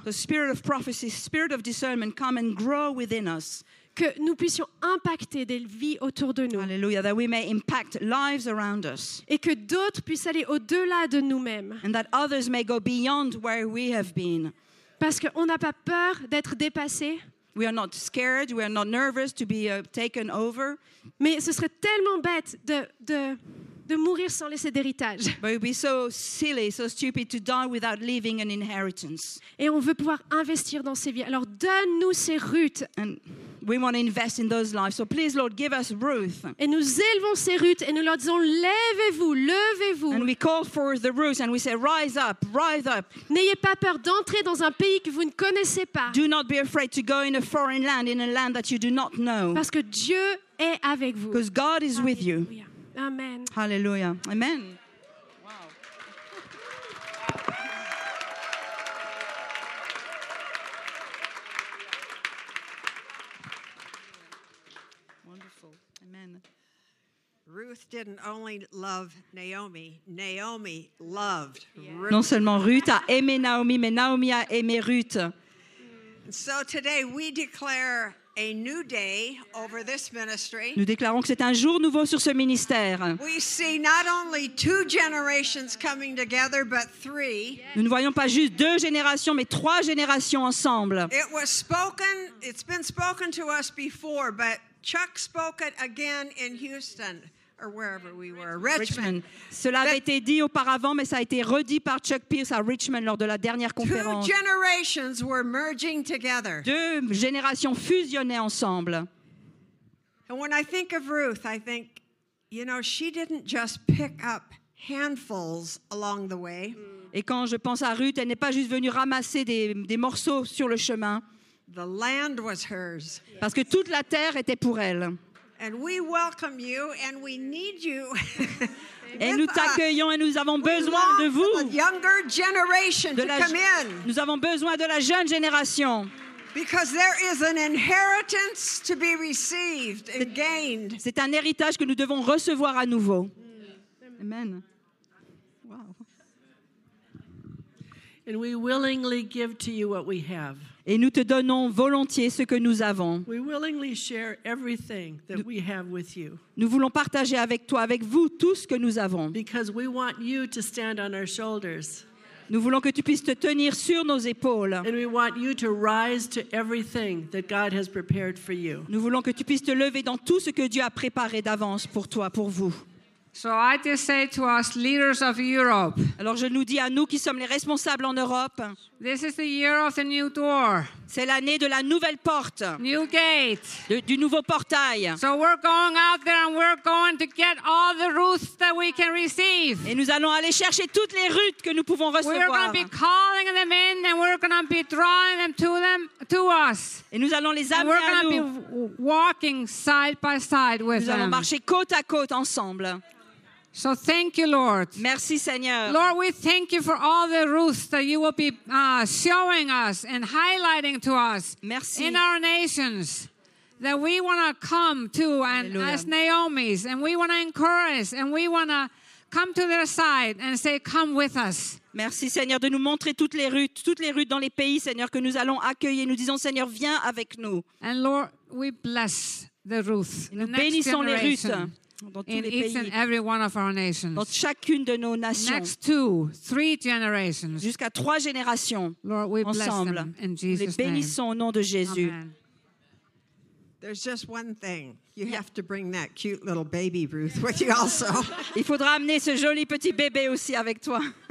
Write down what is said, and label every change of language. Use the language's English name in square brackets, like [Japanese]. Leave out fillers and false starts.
[English] The spirit of prophecy, spirit of discernment, come and grow within us. [French] Que nous puissions impacter des vies autour de nous. [English] Hallelujah, that we may impact lives around us. [French] Et que d'autres puissent aller au-delà de nous-mêmes. [English] And that others may go beyond where we have been. [French] Parce qu'on n'a pas peur d'être dépassé. [English] We are not scared, we are not nervous to be taken over. [French] Mais ce serait tellement bête de mourir sans laisser d'héritage. [English] But it would be so silly, so stupid to die without leaving an inheritance. [French] Et on veut pouvoir investir dans ces vies. Alors donne-nous ces Ruth. [English] And we want to invest in those lives. So please, Lord, give us Ruth. [French] Et nous élevons ces Ruth et nous leur disons, levez-vous, levez-vous. [English] And we call for the Ruth and we say, rise up, rise up. [French] N'ayez pas peur d'entrer dans un pays que vous ne connaissez pas. [English] Do not be afraid to go in a foreign land, in a land that you do not know. [French] Parce que Dieu est avec vous. [English] Because God is with you. Amen. Hallelujah. Amen. Wow. Wonderful. Amen. Ruth didn't only love Naomi. Naomi loved Ruth. [French] Non seulement Ruth a aimé Naomi, mais Naomi a aimé Ruth. [English] So today we declare a new day over this ministry. [French] Nous déclarons que c'est un jour nouveau sur ce ministère. [English] We see not only two generations coming together, but three. [French] Nous ne voyons pas juste deux générations, mais trois générations ensemble. [English] It was spoken, it's been spoken to us before, but Chuck spoke it again in Houston or wherever we were, Richmond. [French] Cela avait été dit auparavant, mais ça a été redit par Chuck Pierce à Richmond lors de la dernière conférence. [English] Two generations were merging together. [French] Deux générations fusionnaient ensemble. [English] And when I think of Ruth, I think, you know, she didn't just pick up handfuls along the way. [French] Et quand je pense à Ruth, elle n'est pas juste venue ramasser des morceaux sur le chemin. [English] The land was hers. [French] Parce que toute la terre était pour elle. [English] And we welcome you and we need you. [French] Et nous t'accueillons et nous avons besoin de vous. [English] The younger generation to come in. [French] Nous avons besoin de la jeune génération. [English] Because there is an inheritance to be received and gained. [French] C'est un héritage que nous devons recevoir à nouveau. [English] Amen. Wow. And we willingly give to you what we have. [French] Et nous te donnons volontiers ce que nous avons. [English] We willingly share everything that we have with you. [French] Nous voulons partager avec toi, avec vous, tout ce que nous avons. [English] Because we want you to stand on our shoulders. [French] Nous voulons que tu puisses te tenir sur nos épaules. [English] And we want you to rise to everything that God has prepared for you. [French] Nous voulons que tu puisses te lever dans tout ce que Dieu a préparé d'avance pour toi, pour vous. [English] So I just say to us, leaders of Europe. [French] Alors je nous dis à nous qui sommes les responsables en Europe. [English] This is the year of the new door. [French] C'est l'année de la nouvelle porte. [English] New gate. [French] Du nouveau portail. [English] So we're going out there and we're going to get all the Ruths that we can receive. [French] Et nous allons aller chercher toutes les Ruths que nous pouvons recevoir. [English] We're going to be calling them in and we're going to be drawing them to us. [French] Et nous allons les amener à nous. [English] And we're going to be walking side by side with them. [French] Nous allons marcher côte à côte ensemble. [English] So thank you, Lord. [French] Merci, Seigneur. [English] Lord, we thank you for all the Ruths that you will be showing us and highlighting to us. [French] Merci. [English] In our nations that we want to come to and Alleluia. As Naomi's and we want to encourage and we want to come to their side and say, come with us. [French] Merci, Seigneur, de nous montrer toutes les Ruths dans les pays, Seigneur, que nous allons accueillir. Nous disons, Seigneur, viens avec nous. [English] And Lord, we bless the Ruths. [French] Nous bénissons les Ruths. [English] In each and every one of our nations. [French] Dans chacune de nos nations. [English] Next two, three generations. [French] Jusqu'à trois générations. [English] Lord, we [French] ensemble. [English] Bless them in Jesus' name. [French] Les bénissons au nom de Jésus. [English] Amen. There's just one thing. You have to bring that cute little baby Ruth with you also. [French] Il faudra amener ce joli petit bébé aussi avec toi.